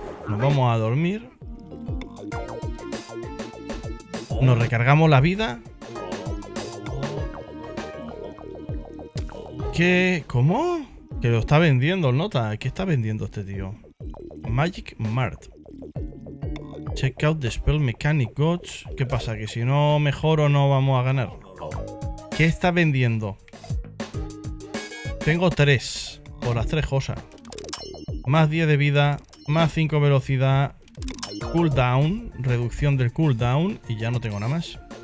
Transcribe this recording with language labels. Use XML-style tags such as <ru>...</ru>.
<es>Nos vamos a dormir. Nos recargamos la vida. ¿Qué? ¿Cómo? Que lo está vendiendo, nota. ¿Qué está vendiendo este tío? Magic Mart.</es> <en>Check out the spell mechanic gods.</en> <es>¿Qué pasa? ¿Que si no mejoro no vamos a ganar? ¿Qué está vendiendo? Tengo 3 por las 3 cosas. Más 10 de vida, más 5 velocidad, cooldown, reducción del cooldown, y ya no tengo nada más.</es>